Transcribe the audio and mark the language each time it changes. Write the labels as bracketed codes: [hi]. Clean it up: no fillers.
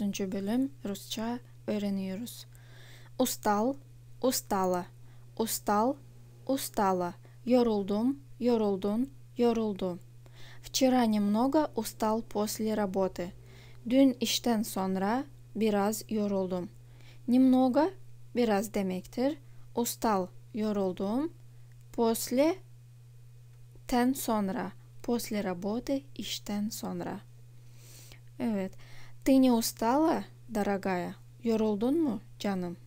[tr] bölüm Rusça öğreniyoruz. [ru] Ustal, ustala. Ustal, ustala. [tr] Yoruldum, yoruldun, yoruldu. [ru] Вчера немного устал после работы. [tr] Dün işten sonra biraz yoruldum. [ru] Немного [tr] biraz demektir. [ru] Ustal, [tr] yoruldum. [ru] После [tr] ten sonra. [ru] После работы [tr] işten sonra. Evet. [ru] Ты не устала, дорогая? [tr] Yoruldun mu, canım?